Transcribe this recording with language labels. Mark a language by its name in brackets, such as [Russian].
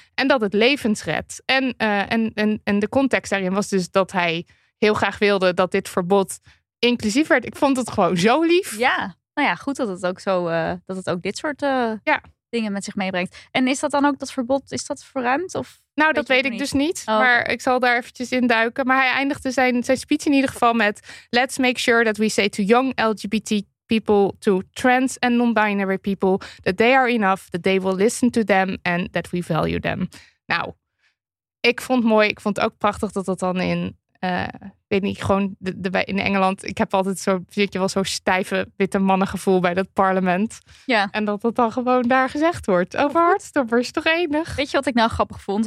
[Dutch] En dat het levens redt. En de context daarin was dus dat hij heel graag wilde dat dit verbod inclusief werd. Ik vond het gewoon zo lief. Ja, nou ja, goed dat het ook zo dat het ook dit soort dingen met zich meebrengt. En is dat dan ook dat verbod, is dat verruimd? Of nou, dat weet ik dus niet. Oh. Maar ik zal daar eventjes in duiken. Maar hij eindigde zijn speech in ieder geval met: [English] let's make sure that we say to young LGBTQ people, to trans and non-binary people, that they are enough, that they will listen to them and that we value them. [Dutch] Nou, ik vond het mooi. Ik vond het ook prachtig dat dat dan in, in Engeland, ik heb altijd zo stijve witte mannengevoel bij dat parlement. Ja. En dat dat dan gewoon daar gezegd wordt. Over Heartstopper is toch enig? Weet je wat ik nou grappig vond?